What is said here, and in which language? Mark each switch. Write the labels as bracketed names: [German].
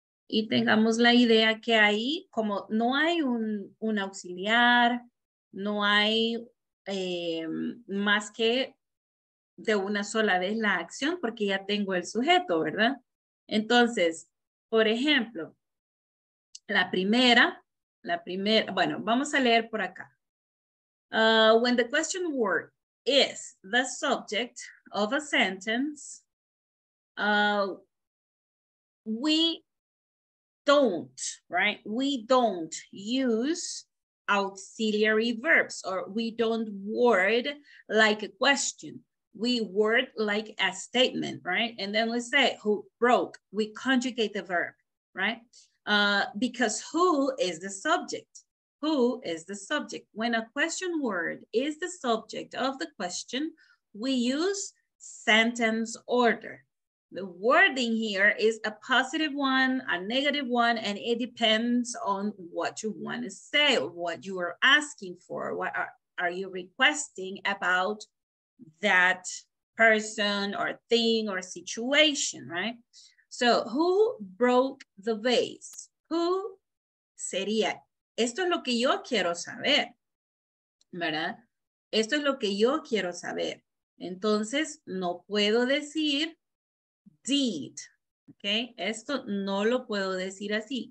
[Spanish] Y tengamos la idea que ahí, como no hay un auxiliar, no hay más que de una sola vez la acción, porque ya tengo el sujeto, ¿verdad? Entonces, por ejemplo, la primera, bueno, vamos a leer por acá. [English] When the question word is the subject of a sentence, we don't, right? We don't use auxiliary verbs, or we don't word like a question. We word like a statement, right? And then we say who broke, we conjugate the verb, right? Because who is the subject? Who is the subject? When a question word is the subject of the question, we use sentence order. The wording here is a positive one, a negative one, and it depends on what you want to say, what you are asking for, what are you requesting about that person or thing or situation, right? So who broke the vase? Who sería? [Spanish] Esto es lo que yo quiero saber, ¿verdad? Esto es lo que yo quiero saber. Entonces, no puedo decir did, ¿ok? Esto no lo puedo decir así.